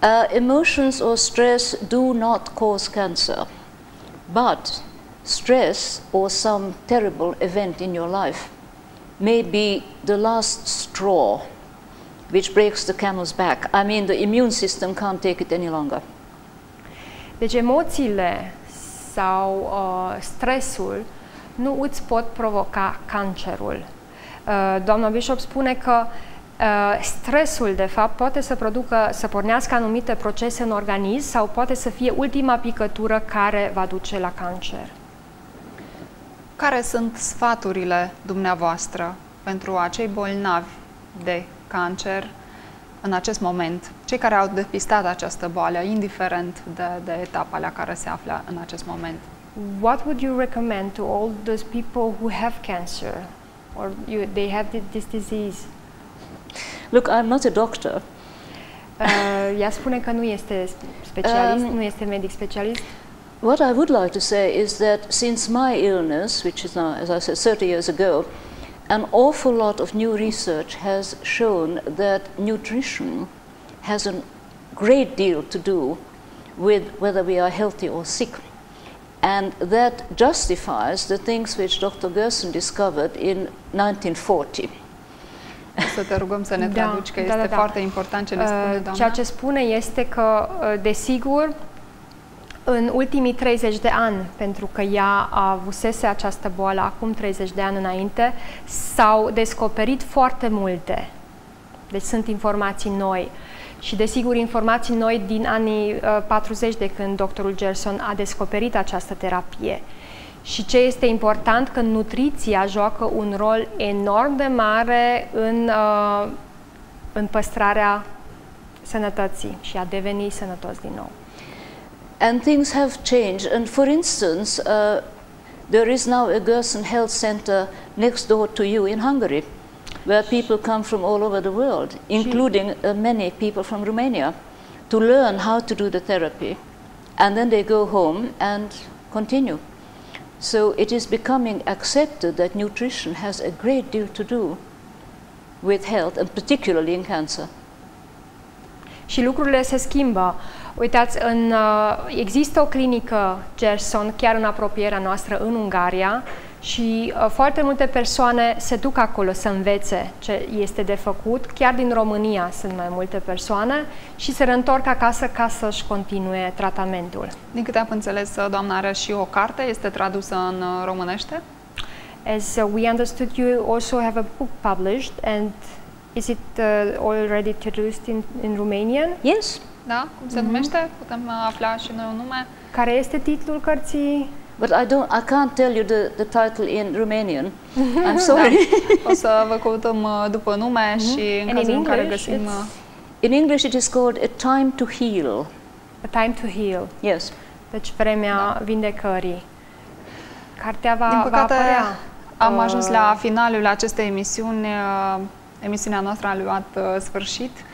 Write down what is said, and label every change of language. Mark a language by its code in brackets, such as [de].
[en] Emotions or stress do not cause cancer, but stress or some terrible event in your life may be the last straw which breaks the camel's back. I mean, the immune system can't take it any longer. [ro] Deci emoțiile sau stresul nu îți pot provoca cancerul. Doamna Bishop spune că stresul, de fapt, poate să producă, să pornească anumite procese în organism sau poate să fie ultima picătură care va duce la cancer. Care sunt sfaturile dumneavoastră pentru acei bolnavi de cancer în acest moment? Cei care au depistat această boală, indiferent de etapa la care se află în acest moment? [en] What would you recommend to all those people who have cancer or they have this disease? Look, I'm not a doctor. [ro] Ea spune că nu este specialist, nu este medic specialist. [en] What I would like to say is that since my illness, which is now, as I said, 30 years ago, an awful lot of new research has shown that nutrition has a great deal to do with whether we are healthy or sick. And that justifies the things which Dr. Gerson discovered in 1940. [ro] Să te rugăm să ne traduci, că este foarte important ce ne spune doamna. Ceea ce spune este că, desigur, în ultimii 30 de ani, pentru că ea avusese această boală acum 30 de ani înainte, s-au descoperit foarte multe. Deci sunt informații noi. Și, desigur, informații noi din anii 40, de când doctorul Gerson a descoperit această terapie. Și ce este important, că nutriția joacă un rol enorm de mare în, în păstrarea sănătății și a deveni sănătos din nou. [en] And things have changed. And for instance, there is now a Gerson Health Center next door to you in Hungary, where people come from all over the world, including many people from Romania, to learn how to do the therapy. And then they go home and continue. So it is becoming accepted that nutrition has a great deal to do with health, and particularly in cancer. [ro] Și lucrurile se schimbă. Uitați, există o clinică Gerson chiar în apropierea noastră, în Ungaria, și foarte multe persoane se duc acolo să învețe ce este de făcut. Chiar din România sunt mai multe persoane și se reîntorc acasă ca să-și continue tratamentul. Din câte am înțeles, doamna are și o carte, este tradusă în românește? [en] As we understood, you also have a book published, and is it already traduced in Romanian? Yes. [ro] Da, cum se numește? Putem afla și noi un nume. Care este titlul cărții? [en] But I can't tell you the title in Romanian. I'm sorry. [ro] Da. O să vă căutăm după nume și în cazul în care găsim. [en] In English it is called A Time to Heal. A Time to Heal. Yes. [ro] Deci vremea vindecării. Cartea din păcate, va apărea. Am ajuns la finalul acestei emisiuni. Emisiunea noastră a luat sfârșit.